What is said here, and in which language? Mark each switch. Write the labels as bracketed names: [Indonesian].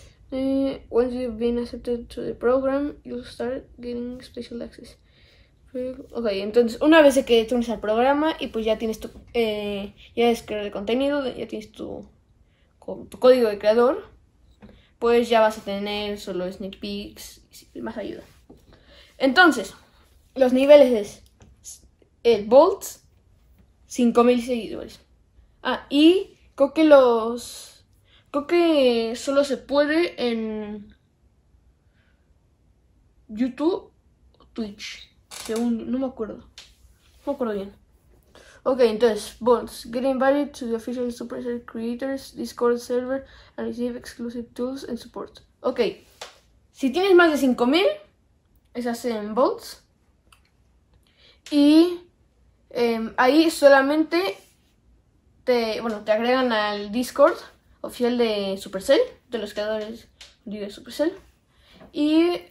[English] Once you've been accepted to the program, you'll start getting special access. [Spanish] Ok, entonces una vez que te unes al programa y pues ya tienes tu ya es creador de contenido, ya tienes tu código de creador, pues ya vas a tener solo sneak peeks y más ayuda. Entonces, los niveles es el Bolt, 5,000 seguidores. Ah, y creo que solo se puede en YouTube o Twitch. Según, no me acuerdo bien. [English] Ok, entonces, Bolts, get invited to the official Supercell Creators Discord server and receive exclusive tools and support. [Spanish] Ok, si tienes más de 5,000, esas en Bolts. Y ahí solamente te agregan al Discord oficial de Supercell, de los creadores de Supercell. Y